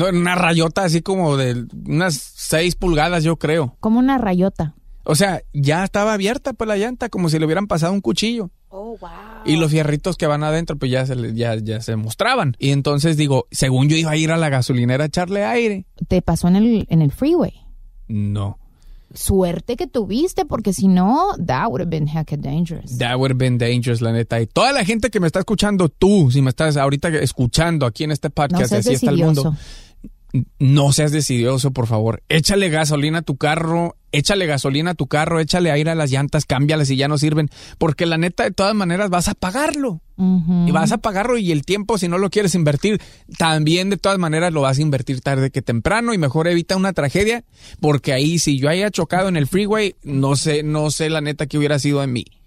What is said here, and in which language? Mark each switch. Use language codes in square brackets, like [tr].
[es] No, una rayota así como de unas 6 pulgadas, yo creo. ¿Cómo una rayota? O sea, ya estaba abierta pues la llanta, como si le hubieran pasado un cuchillo. [en] Oh, wow. [es] Y los fierritos que van adentro pues ya se mostraban. Y entonces digo, según yo iba a ir a la gasolinera a echarle aire. ¿Te pasó en el freeway? No. Suerte que tuviste, porque si no, [en] that would have been heck of dangerous. That would have been dangerous, [es] la neta. Y toda la gente que me está escuchando, tú, si me estás ahorita escuchando aquí en este podcast, no seas así está el mundo. no seas decidioso, por favor. Échale gasolina a tu carro, échale gasolina a tu carro, échale aire a las llantas, cámbiales si ya no sirven. Porque la neta, de todas maneras, vas a pagarlo. Uh-huh. Y vas a pagarlo, y el tiempo, si no lo quieres invertir, también de todas maneras lo vas a invertir tarde que temprano, y mejor evita una tragedia, porque ahí, si yo haya chocado en el freeway, no sé la neta qué hubiera sido de mí.